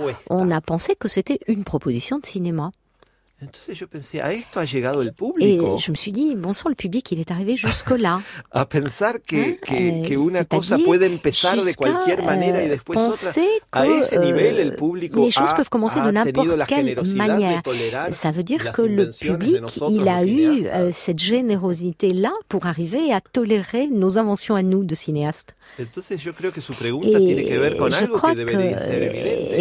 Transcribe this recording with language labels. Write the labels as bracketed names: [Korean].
[French] on a pensé que c'était une proposition de cinéma. [Spanish] Entonces yo pensé, a esto ha llegado el público. [French] Et je me suis dit, bon sang, le public, il est arrivé jusque-là. [Spanish] A pensar que una cosa puede empezar de cualquier manera y después otra. A ese nivel, el público [French] les choses peuvent commencer de n'importe quelle manière. Ça veut dire que le public, il a eu cette générosité-là pour arriver à tolérer nos inventions à nous de cinéastes. [Spanish] Entonces yo creo que su pregunta tiene que ver con algo que debería ser evidente.